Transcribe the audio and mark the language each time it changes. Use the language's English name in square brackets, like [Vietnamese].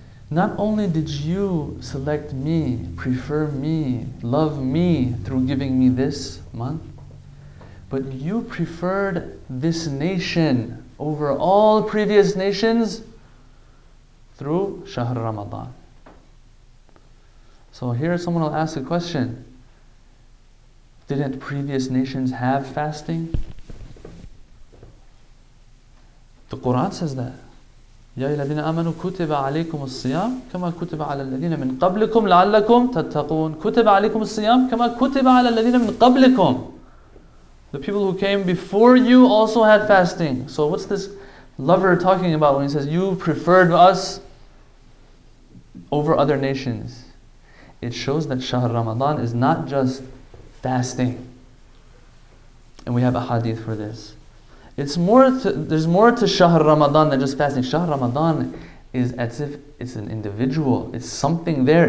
[English] Not only did you select me, prefer me, love me through giving me this month, but you preferred this nation over all previous nations through Shahr Ramadan. So here someone will ask a question. Didn't previous nations have fasting? The Quran says that. [Arabic] يَا الَّذِينَ آمَنُوا كُتِبَ عَلَيْكُمُ الصِّيَامِ كَمَا كُتِبَ عَلَى الَّذِينَ مِنْ قَبْلِكُمْ لَعَلَّكُمْ تَتَّقُونَ كُتِبَ عَلَيْكُمُ الصِّيَامِ كَمَا كُتِبَ عَلَى الَّذِينَ مِنْ قَبْلِكُمْ [English] The people who came before you also had fasting. So what's this lover talking about when he says, you preferred us over other nations? It shows that Shahr Ramadan is not just fasting. And we have a hadith for this. There's more to Shahr Ramadan than just fasting. Shahr Ramadan is as if it's an individual. It's something there.